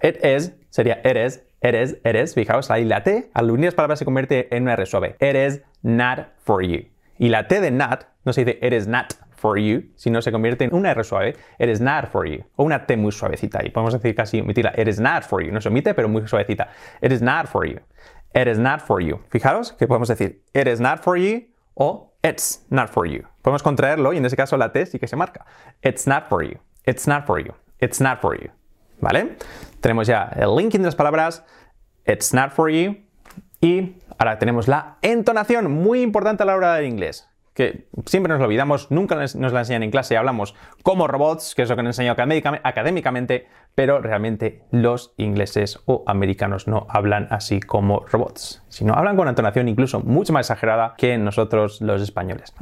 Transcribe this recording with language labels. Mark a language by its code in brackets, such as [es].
[en] It is [es] sería [en] it is, it is, it is. [es] Fijaos, ahí la T al unir las palabras se convierte en una R suave. [en] It is not for you. [es] Y la T de [en] not [es] no se dice [en] it is not for you, [es] sino se convierte en una R suave. [en] It is not for you. [es] O una T muy suavecita. Y podemos decir casi omitirla. [en] It is not for you. [es] No se omite, pero muy suavecita. [en] It is not for you. It is not for you. [es] Fijaros que podemos decir [en] it is not for you o it's not for you. [es] Podemos contraerlo y en ese caso la T sí que se marca. [en] It's not for you. It's not for you. It's not for you. ¿Vale? [es] Tenemos ya el linking de las palabras. [en] It's not for you. [es] Y ahora tenemos la entonación. Muy importante a la hora del inglés. Que siempre nos lo olvidamos, nunca nos la enseñan en clase, hablamos como robots, que es lo que han enseñado académicamente, pero realmente los ingleses o americanos no hablan así como robots, sino hablan con una entonación incluso mucho más exagerada que nosotros los españoles.